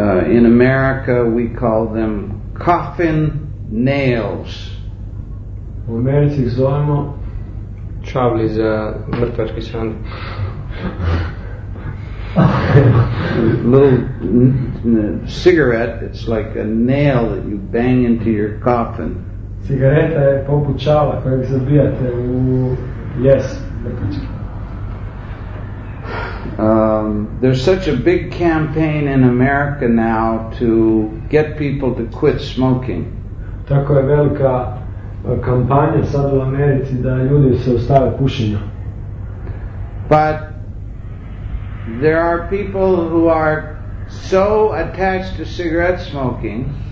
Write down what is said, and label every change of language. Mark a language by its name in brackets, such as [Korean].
[English] In America we call them coffin nails. [Croatian] U Americi ih zovemo čavli za mrtvački sand. [English] Little cigarette, it's like a nail that you bang into your coffin. [Croatian] Cigareta je poput čavla kojeg zabijate u lijes. [English] There's such a big campaign in America now to get people to quit smoking. [Croatian] Tako je velika kampanja sad u Americi da ljudi se ostave pušenja. [English] But there are people who are so attached to cigarette smoking.